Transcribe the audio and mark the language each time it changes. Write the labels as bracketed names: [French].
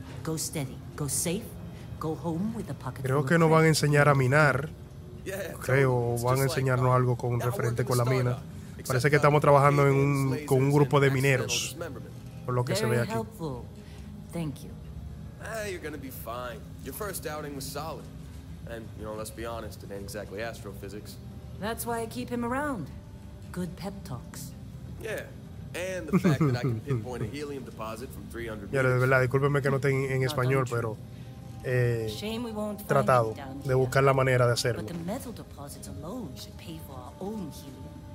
[English] Go steady, go safe, go home with a pocket. [Spanish] Creo que nos van a enseñar a minar. Creo, van a enseñarnos algo con referente con la mina. Parece que estamos trabajando en con un grupo de mineros. Por lo que se ve aquí. [English] Thank you. Hey, you're gonna be fine. Your first outing was solid. And, you know, let's be honest, it ain't exactly astrophysics. That's why I keep him around. Good pep talks. Yeah, and the fact that I can pinpoint a helium deposit from 300 meters. [Spanish] Ya, de verdad, discúlpeme que no esté en español, pero [English] shame we won't find [Spanish] tratado de buscar la manera de hacerlo. [English] But the metal deposits alone should pay for our own helium.